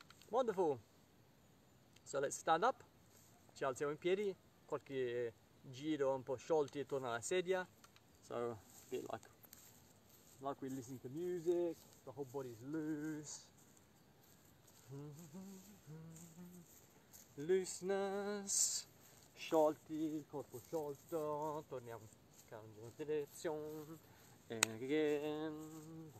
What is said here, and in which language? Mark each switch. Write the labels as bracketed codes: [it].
[en] Wonderful! So let's stand up, [it] ci alziamo in piedi, qualche giro un po' sciolti e torna alla sedia. [en] So, a bit like we're listening to music, the whole body's loose. Looseness, [it] sciolti, corpo sciolto, torniamo, cambio direzione, [en] again.